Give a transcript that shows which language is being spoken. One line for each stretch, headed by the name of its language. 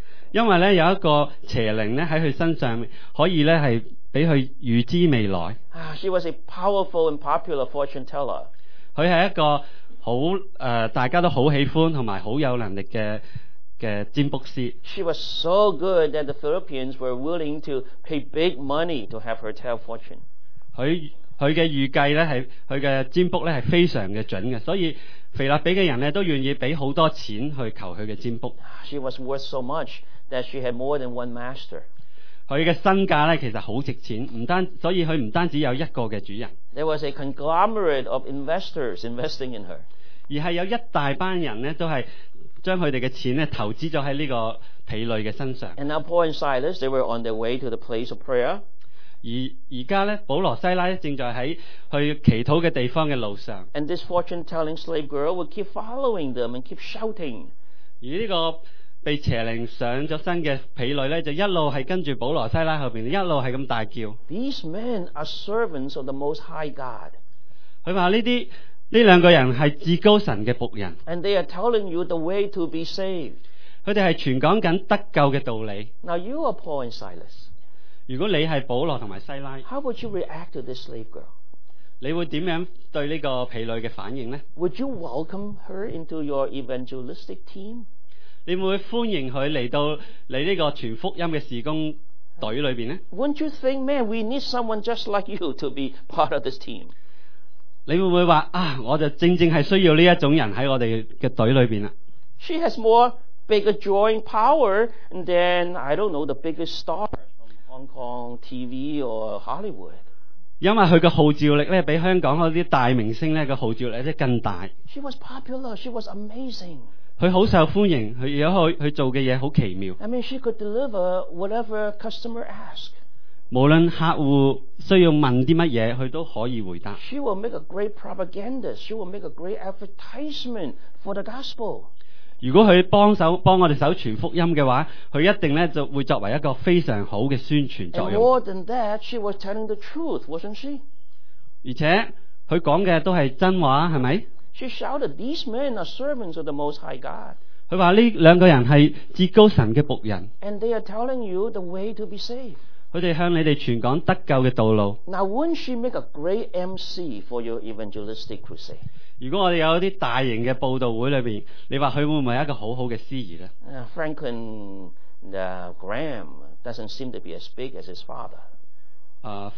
Cantonese: 因为咧有一个邪灵咧喺佢身上可以咧系。俾佢預知未來。
English: She was a powerful and popular fortune teller。
Cantonese: 佢係一個好大家都好喜歡同埋好有能力嘅占卜師。
English: She was so good that the Philippians were willing to pay big money to have her tell fortune。
Cantonese: 佢嘅預計咧係佢嘅占卜咧係非常嘅準嘅，所以腓立比嘅人咧都願意俾好多錢去求佢嘅占卜。
English: She was worth so much that she had more than one master。
Cantonese: 佢嘅身价咧，其实好值钱，所以佢唔单止有一个嘅主人。
English: There was a conglomerate of investors investing in her。
Cantonese: 而系有一大班人咧，都系将佢哋嘅钱咧投资咗喺呢个婢女嘅身上。
English: And now Paul and Silas, they were on their way to the place of prayer。
Cantonese: 而家咧，保罗西拉正在喺去祈祷嘅地方嘅路上。
English: And this fortune-telling slave girl would keep following them and keep shouting。
Cantonese: 而呢个被邪灵上咗身嘅婢女咧，就一路系跟住保罗西拉后边，一路系咁大叫。
English: These men are servants of the Most High God。
Cantonese: 佢话呢两个人系至高神嘅仆人。
English: And they are telling you the way to be saved。
Cantonese: 佢哋系传讲紧得救嘅道理。
English: Now you are Paul and Silas。
Cantonese: 如果你系保罗同埋西拉
English: ，How would you react to this slave girl？
Cantonese: 你会点样对呢个婢女嘅反应呢
English: ？Would you welcome her into your evangelistic team？
Cantonese: 你会欢迎佢嚟到你呢个传福音嘅事工队里边咧
English: ？Won't you think, man, we need someone just like you to be part of this team？
Cantonese: 你会唔会话啊？我就正正系需要呢一种人喺我哋嘅队里边啦。
English: She has more bigger drawing power than I don't know the biggest star from Hong Kong TV or Hollywood。
Cantonese: 因为佢嘅号召力咧，比香港嗰啲大明星咧嘅号召力咧更大。
English: She was popular. She was amazing。
Cantonese: 佢好受欢迎，佢而家佢做嘅嘢好奇妙。
English: I mean, she could deliver whatever customer ask。
Cantonese: 无论客户需要问啲乜嘢，佢都可以回答。
English: She will make a great propaganda. She will make a great advertisement for the gospel。
Cantonese: 如果佢帮我哋手传福音嘅话，佢一定咧就会作为一个非常好嘅宣传作用。
English: And more than that, she was telling the truth, wasn't she?
Cantonese: 而且佢讲嘅都系真话，系咪？
English: She shouted, "These men are servants of the Most High God."
Cantonese: 佢话呢两个人系至高神嘅仆人。
English: And they are telling you the way to be saved.
Cantonese: 佢哋向你哋传讲得救嘅道路。
English: Now, wouldn't she make a great MC for your evangelistic crusade?
Cantonese: 如果我哋有啲大型嘅报道会里边，你话佢会唔会一个好好嘅司仪咧
English: ？Franklin Graham doesn't seem to be as big as his father.